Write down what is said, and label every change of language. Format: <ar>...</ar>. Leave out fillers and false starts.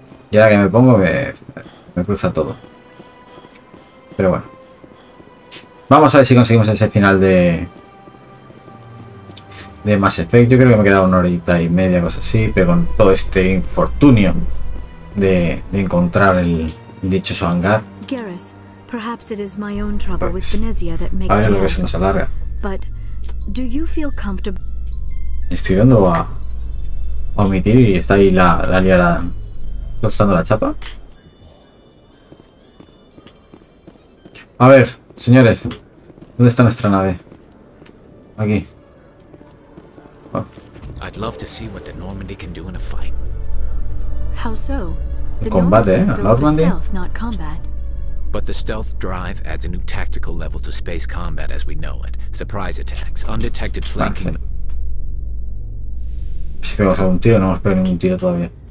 <es>Y ahora que me pongo, me cruza todo. Pero bueno. Vamos a ver si conseguimos ese final de... De Mass Effect. Yo creo que me he quedado una horita y media, cosa así. Pero con todo este infortunio de encontrar el dichoso hangar.</es> <en>Garrus, perhaps it is my own trouble with Venezia that makes</en> <es>me. A ver lo que se nos alarga.</es> <en>But do you feel comfortable?</en> <es>Estoy dando a omitir y está ahí la liada tostando la chapa. A ver, señores, ¿dónde está nuestra nave? Aquí.</es> <en>I'd love to see what the Normandy can do in a fight. How so? The combat, Normandy. Stealth, not combat. But the stealth drive adds a new tactical level to space combat as we know it. Surprise attacks, undetected flanking.</en> <es>Si pegamos algún tiro, no hemos pegado ningún tiro todavía.</es>